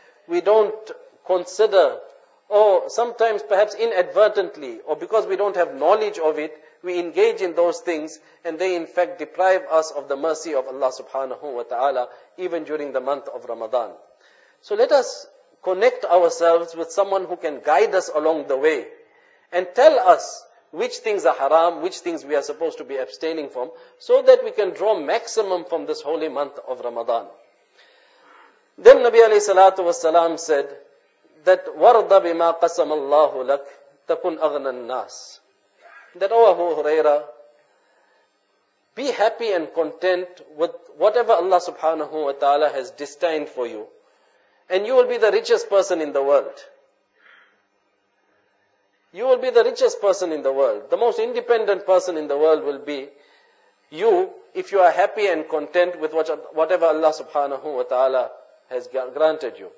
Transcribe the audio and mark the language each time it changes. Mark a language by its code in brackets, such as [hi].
[en] We don't consider, or sometimes perhaps inadvertently, or because we don't have knowledge of it, we engage in those things and they in fact deprive us of the mercy of Allah subhanahu wa ta'ala even during the month of Ramadan. So let us connect ourselves with someone who can guide us along the way and tell us which things are haram, which things we are supposed to be abstaining from, so that we can draw maximum from this holy month of Ramadan. Then Nabi alayhi salatu wasalam said that [ar] وَرْضَ بِمَا قَسَمَ اللَّهُ لَكْ تَكُنْ أَغْنَى النَّاسِ. [en] That, O Abu Huraira, be happy and content with whatever Allah subhanahu wa ta'ala has destined for you, and you will be the richest person in the world. You will be the richest person in the world. The most independent person in the world will be you, if you are happy and content with whatever Allah subhanahu wa ta'ala has granted you.